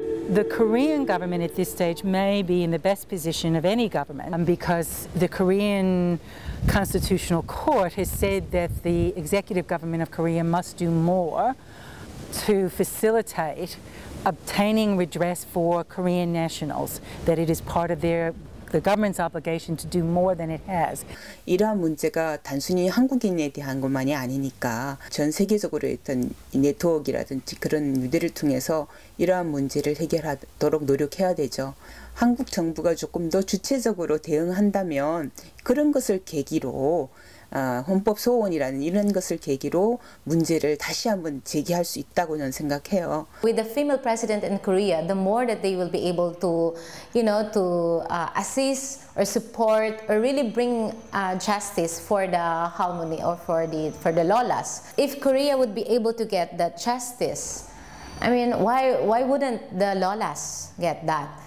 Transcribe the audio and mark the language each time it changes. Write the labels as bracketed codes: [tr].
[en] The Korean government at this stage may be in the best position of any government, because the Korean Constitutional Court has said that the executive government of Korea must do more to facilitate obtaining redress for Korean nationals, that it is part of the government's obligation to do more than it has. [ko] 이러한 문제가 단순히 한국인에 대한 것만이 아니니까 전 세계적으로 있던 네트워크라든지 그런 유대를 통해서 이러한 문제를 해결하도록 노력해야 되죠. 한국 정부가 조금 더 주체적으로 대응한다면 그런 것을 계기로 헌법 소원이라는 이런 것을 계기로 문제를 다시 한번 제기할 수 있다고 저는 생각해요. [en] With the female president in Korea, the more that they will be able to, you know, to assist or support or really bring justice for the harmony or for the lolas. If Korea would be able to get that justice, I mean, why wouldn't the lolas get that?